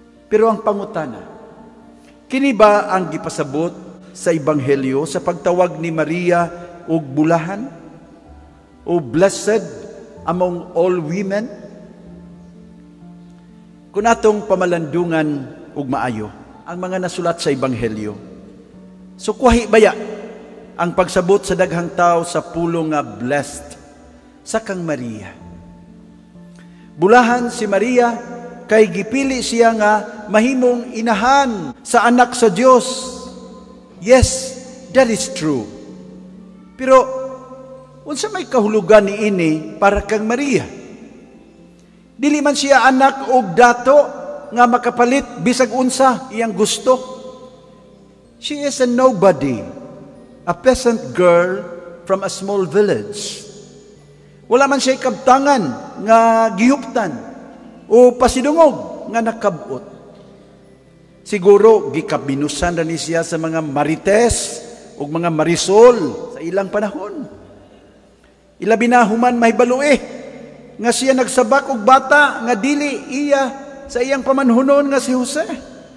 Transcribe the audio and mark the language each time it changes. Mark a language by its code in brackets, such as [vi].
[ceb] Pero ang pangutana, kini ba ang gipasabot sa Ebanghelyo sa pagtawag ni Maria og bulahan? [en] O blessed among all women? [ceb] Kung atong pamalandungan og maayo ang mga nasulat sa Ebanghelyo, so kuhi baya ang pagsabot sa daghang tao sa pulong nga blessed sa kang Maria? Bulahan si Maria kay gipili siya nga mahimong inahan sa anak sa Dios. [en] Yes, that is true. [ceb] Pero unsa may kahulugan ni ini para kang Maria? Dili man siya anak og dato nga makapalit bisag unsa iyang gusto. [en] She is a nobody, a peasant girl from a small village. [ceb] Wala man siya'y kabtangan nga giyuptan o pasidungog nga nakabot. Siguro, gikabinusan rin siya sa mga Marites o mga Marisol sa ilang panahon. Ilabi na human mahibaluwi nga siya nagsabak og bata nga dili iya sa iyang pamanhunon nga si Jose.